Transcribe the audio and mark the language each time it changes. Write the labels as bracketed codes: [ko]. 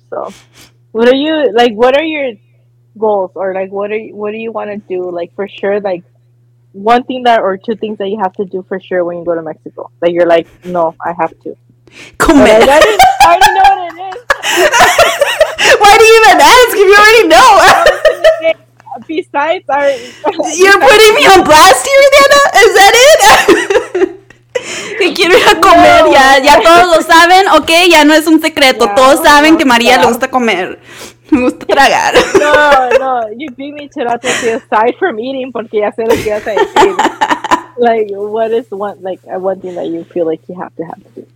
[en] So what are you, like, what are your goals, or, like, what do you want to do, like, for sure, like, one thing that, or two things that you have to do for sure when you go to Mexico that you're like, no, I have to come. I already know what it is. Why do you even ask if you already know? Besides our, you're putting me on blast here, Diana, is that it? [es] Que quiero ir a comer, no. Ya todos lo saben, ok, ya no es un secreto, yeah. Todos saben que María le gusta comer. Me gusta tragar. [en] No, no, you beat me to that. Aside from eating, [es] porque ya sé lo que vas a decir. [en] Like, what is one, like, one thing that you feel like you have to have to do?